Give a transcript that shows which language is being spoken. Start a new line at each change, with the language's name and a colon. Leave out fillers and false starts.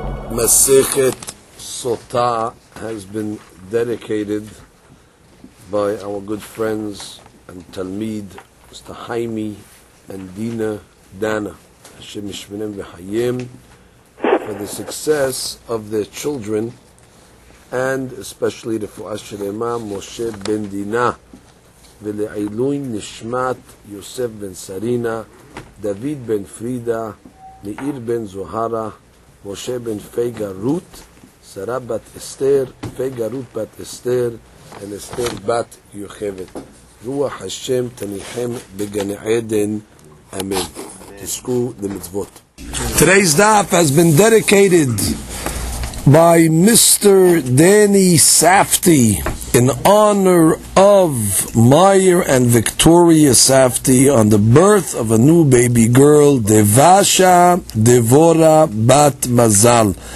English: Masechet Sota has been dedicated by our good friends and Talmid, Mr. Haimi and Dina Dana, Hashem Yishmonem V'Chayim, for the success of their children, and especially the Fu'as Shelema Moshe Ben Dina,
Hebrew: ולעילוי נשמת יוסף בן סרינה, דוד בן פרידה, נעיר בן זוהרה, משה בן פייגה רות, שרה בת אסתר, פייגה רות בת אסתר, אל אסתר בת יוכבת. רוח השם תניחם בגן עדן, אמן. תזכו למצוות.
English: Today's daf has been dedicated by Mr. Danny Safty, in honor of Meyer and Victoria Safty on the birth of a new baby girl, Devasha Devora Bat Mazal.